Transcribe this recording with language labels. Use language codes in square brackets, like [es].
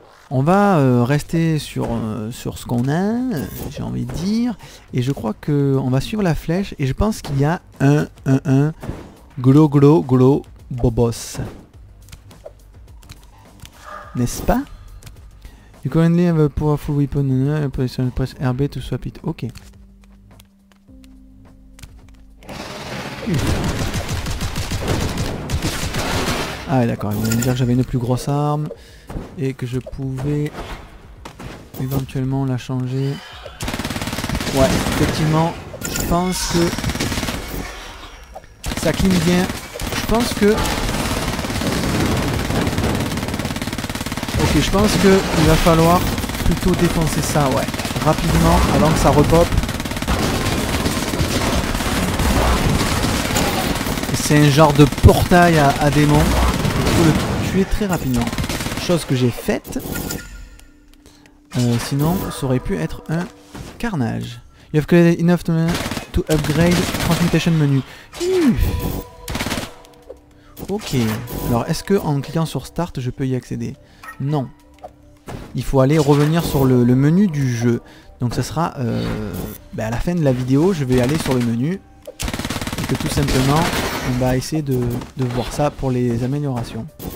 [fr] On va rester sur ce qu'on a, j'ai envie de dire. Et je crois que on va suivre la flèche. Et je pense qu'il y a un glow glow glow bobos. N'est-ce pas? [en] You currently have a powerful weapon and position press RB to swap it. [fr] Ok. Ah d'accord, il vient de dire que j'avais une plus grosse arme et que je pouvais éventuellement la changer. Ouais, effectivement, je pense que ça clean bien. Je pense que... Ok, je pense que il va falloir plutôt défoncer ça, ouais. Rapidement, avant que ça repop. C'est un genre de portail à démon. Le tuer très rapidement, chose que j'ai faite. Sinon ça aurait pu être un carnage. [en] You have collected enough to upgrade transmutation menu. [fr] Ok, alors est-ce que en cliquant sur start je peux y accéder? Non, il faut aller revenir sur le menu du jeu. Donc ça sera à la fin de la vidéo, je vais aller sur le menu et que tout simplement on va essayer de voir ça pour les améliorations.